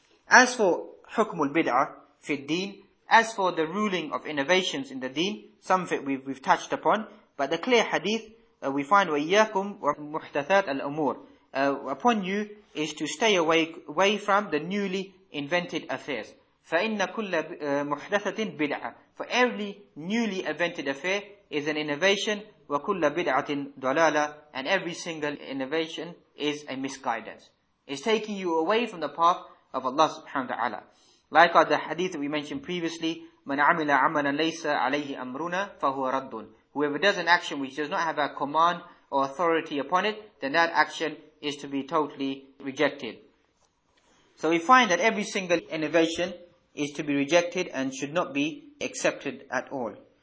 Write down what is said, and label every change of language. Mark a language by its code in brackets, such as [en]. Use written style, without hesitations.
[en] As for hukmul bid'ah fi deen, as for the ruling of innovations in the deen, some of it we've touched upon, but the clear hadith we find, [ar] وَإِيَّاكُمْ وَمُحْدَثَاتَ الْأُمُورِ, [en] upon you is to stay away from the newly invented affairs. [ar] فَإِنَّ كُلَّ مُحْدَثَةٍ بِدْعَةٍ. [en] For every newly invented affair is an innovation, [ar] وَكُلَّ بِدْعَةٍ ضَلَالَةٍ, [en] and every single innovation is a misguidance. It's taking you away from the path of Allah subhanahu wa ta'ala. Like the hadith that we mentioned previously, [ar] مَنْ عَمِلَ عَمَلًا لَيْسَ عَلَيْهِ أَمْرُنَا فَهُوَ رَدٌّ. [en] Whoever does an action which does not have a command or authority upon it, then that action is to be totally rejected. So we find that every single innovation is to be rejected and should not be accepted at all.